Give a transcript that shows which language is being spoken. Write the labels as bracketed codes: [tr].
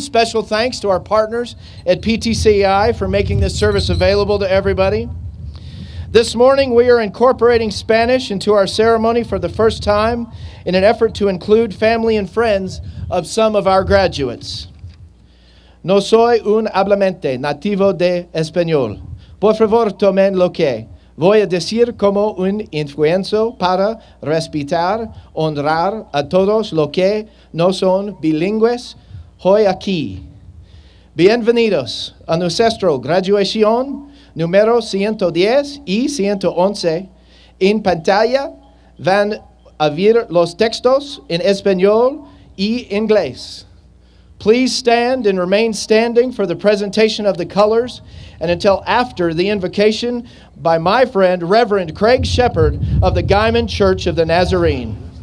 [en] Special thanks to our partners at PTCI for making this service available to everybody. This morning, we are incorporating Spanish into our ceremony for the first time in an effort to include family and friends of some of our graduates. [es] No soy un hablante nativo de español. Por favor, tomen lo que voy a decir como un influencio para respetar, honrar a todos los que no son bilingües hoy aquí. Bienvenidos a nuestra graduación número 110 y 111. En pantalla van a ver los textos en español y inglés. [en] Please stand and remain standing for the presentation of the colors and until after the invocation by my friend, Reverend Craig Shepherd of the Guymon Church of the Nazarene.